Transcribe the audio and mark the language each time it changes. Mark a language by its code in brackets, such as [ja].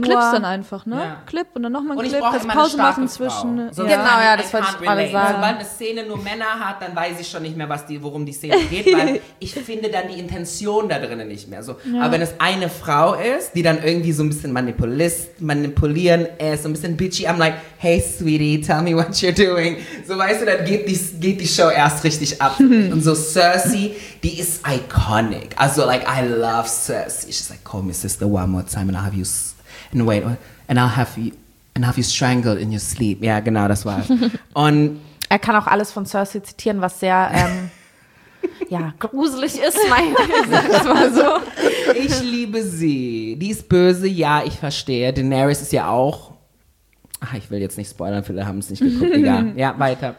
[de] Wie so Clips dann einfach, ne? Ja. Clip und dann nochmal ein Clip. Das Pause machen zwischen... So genau, das wollte ich gerade sagen. Sobald eine Szene nur Männer hat, dann weiß ich schon nicht mehr, worum die Szene geht, weil ich finde dann die Intention da drinnen nicht mehr. Aber wenn es eine Frau ist, die dann irgendwie so ein bisschen manipulieren... So ein bisschen bitchy. [en] I'm like, hey, sweetie, tell me what you're doing. [de] So, weißt du, dann geht die Show erst richtig ab. Und so Cersei, die ist iconic. [en] Also, like, I love Cersei. She's like, call me sister one more time and I'll have you... And I'll have you strangled in your sleep. [de] Ja, yeah, genau, das war... Und er kann auch alles von Cersei zitieren, was sehr... ja, gruselig ist mein Gesicht, war so. Ich liebe sie. Die ist böse, ja, ich verstehe. Daenerys ist ja auch... Ach, ich will jetzt nicht spoilern, viele haben es nicht geguckt. Egal. Ja, weiter.